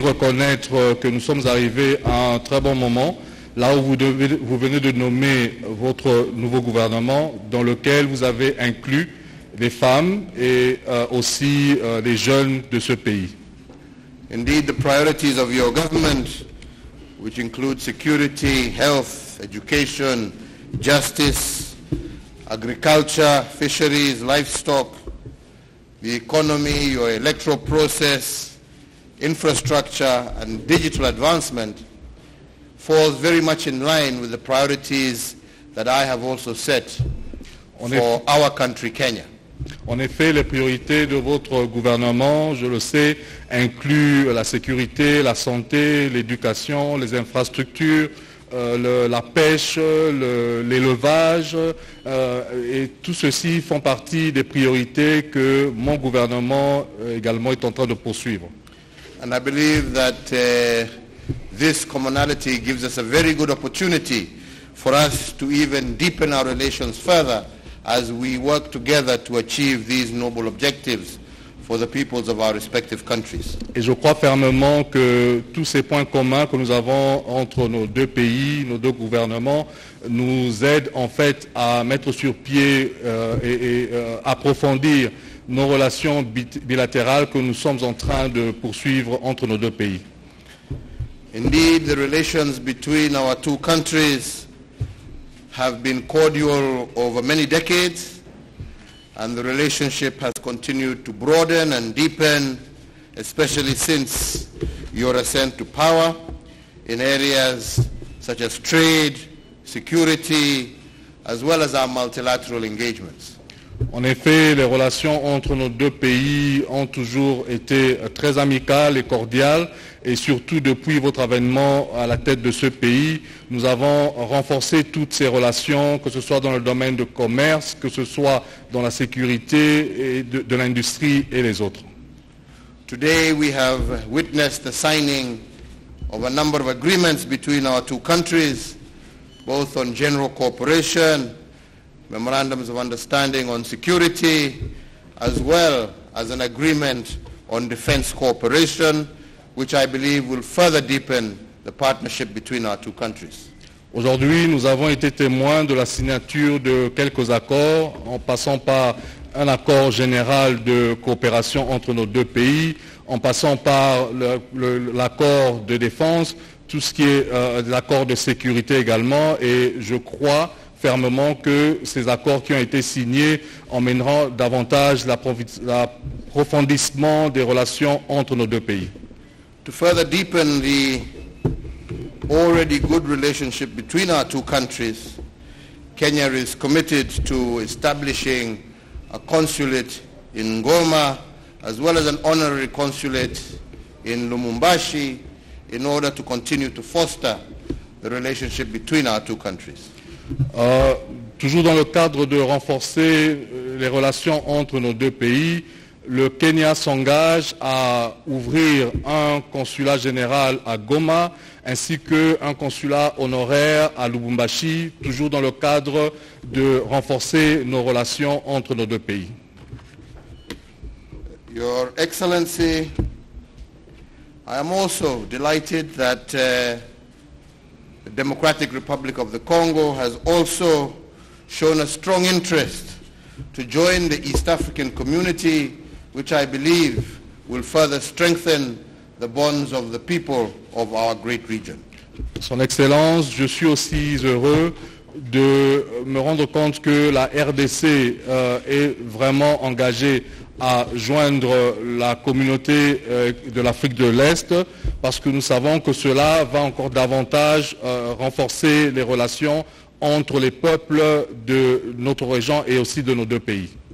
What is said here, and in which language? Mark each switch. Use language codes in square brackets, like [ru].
[fr] reconnaître que nous sommes arrivés à un très bon moment, là où vous venez de nommer votre nouveau gouvernement, dans lequel vous avez inclus les femmes et aussi les jeunes de ce pays. [en] Indeed, the priorities of your government, which include security, health, education, justice, agriculture, fisheries, livestock, the economy, your electoral process, infrastructure, and digital advancement, falls very much in line with the priorities that I have also set for our country, Kenya. [fr] En effet, les priorités de votre gouvernement, je le sais, incluent la sécurité, la santé, l'éducation, les infrastructures, la pêche, l'élevage, et tout ceci font partie des priorités que mon gouvernement également est en train de poursuivre. [en] And I believe that this commonality gives us a very good opportunity for us to even deepen our relations further as we work together to achieve these noble objectives for the peoples of our respective countries. [fr] Et je crois fermement que tous ces points communs que nous avons entre nos deux pays, nos deux gouvernements, nous aident en fait à mettre sur pied approfondir nos relations bilatérales que nous sommes en train de poursuivre entre nos deux pays. [en] Indeed, the relations between our two countries have been cordial over many decades, and the relationship has continued to broaden and deepen, especially since your ascent to power, in areas such as trade, security, as well as our multilateral engagements. [fr] En effet, les relations entre nos deux pays ont toujours été très amicales et cordiales, et surtout depuis votre avènement à la tête de ce pays, nous avons renforcé toutes ces relations, que ce soit dans le domaine de commerce, que ce soit dans la sécurité et de l'industrie et les autres. [en] Today we have witnessed the signing of a number of agreements between our two countries, both on general cooperation, memorandums of understanding on security, as well as an agreement on defense cooperation, which I believe will further deepen the partnership between our two countries. [fr] Aujourd'hui, nous avons été témoins de la signature de quelques accords, en passant par un accord général de coopération entre nos deux pays, en passant par l'accord de défense, tout ce qui est l'accord de sécurité également, et je crois fermement que ces accords qui ont été signés emmèneront davantage l'approfondissement des relations entre nos deux pays. [en] To further deepen the already good relationship between our two countries, Kenya is committed to establishing a consulate in Goma, as well as an honorary consulate in Lumumbashi, in order to continue to foster the relationship between our two countries. [fr] Toujours dans le cadre de renforcer les relations entre nos deux pays, le Kenya s'engage à ouvrir un consulat général à Goma ainsi qu'un consulat honoraire à Lubumbashi, toujours dans le cadre de renforcer nos relations entre nos deux pays. [en] Your Excellency, I am also delighted that the Democratic Republic of the Congo has also shown a strong interest to join the East African community, which I believe will further strengthen the bonds of the people of our great region. [fr] Son Excellence, je suis aussi heureux de me rendre compte que la RDC est vraiment engagée à joindre la communauté de l'Afrique de l'Est, parce que nous savons que cela va encore davantage renforcer les relations entre les peuples de notre région et aussi de nos deux pays.